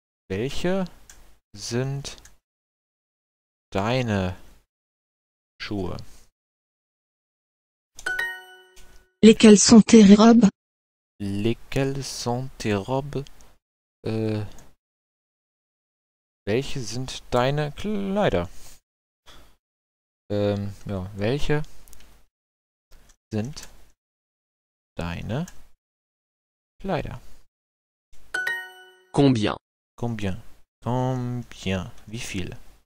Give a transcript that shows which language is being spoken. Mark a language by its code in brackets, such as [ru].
[de] Welche sind deine Schuhe? [fr] Lesquelles sont tes robes? Lesquelles sont tes robes? [de] Welche sind deine Kleider? Welche sind deine Kleider? [fr] Combien? Combien? Combien? [de] Wie viel?